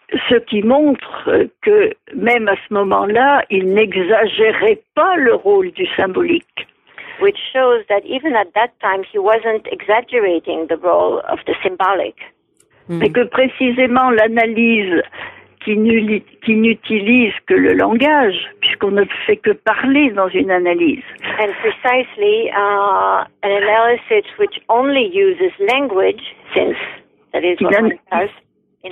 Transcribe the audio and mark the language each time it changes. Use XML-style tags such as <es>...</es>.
<fr>Ce qui montre que même à ce moment-là, il n'exagérait pas le rôle du symbolique.</fr> <en>Which shows that even at that time, he wasn't exaggerating the role of the symbolic.</en> <fr>Mais que précisément l'analyse qui n'utilise que le langage, puisqu'on ne fait que parler dans une analyse.</fr> <en>And precisely, an analysis which only uses language, since that is what one does.</en>